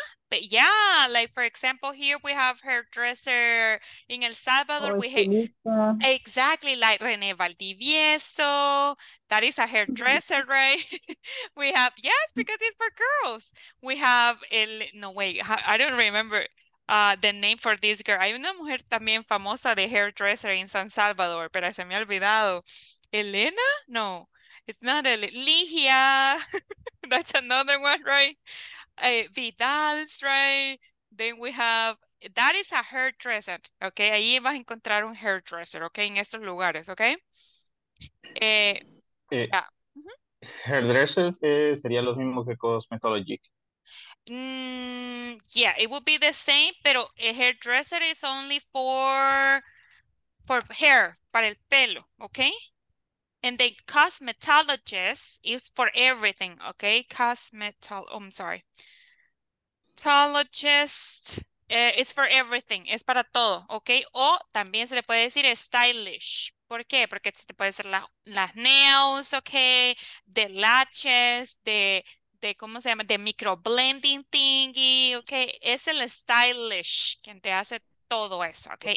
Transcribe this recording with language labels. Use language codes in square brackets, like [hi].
[en] But yeah, like for example, here we have hairdresser in El Salvador. Exactly, like René Valdivieso. That is a hairdresser, right? We have, yes, because it's for girls. We have, I don't remember the name for this girl. [es] Hay una mujer también famosa de hairdresser in San Salvador, pero se me ha olvidado. [en] Elena? No, it's not Ligia. That's another one, right? Vidal's, right? Then we have, that is a hairdresser, okay? [es] Ahí vas a encontrar un hairdresser, okay? En estos lugares, okay? Hairdressers sería lo mismo que cosmetologic. [en] Yeah, it would be the same, pero a hairdresser is only for hair, [es] para el pelo, [en] okay? And the cosmetologist is for everything, okay? Cosmetologist, it's for everything, [es] es para todo, [en] okay? [es] O también se le puede decir stylish. ¿Por qué? Porque se te puede hacer las nails, okay? The lashes, the ¿cómo se llama? [en] The micro blending thingy, [es] okay? Es el stylish quien te hace todo eso, okay?